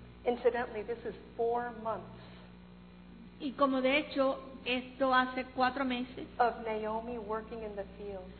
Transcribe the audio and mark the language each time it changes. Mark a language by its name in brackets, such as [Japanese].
[English] Incidentally, this is 4 months. [Spanish] Y como de hecho, esto hace 4 meses. [English] Of Naomi working in the field.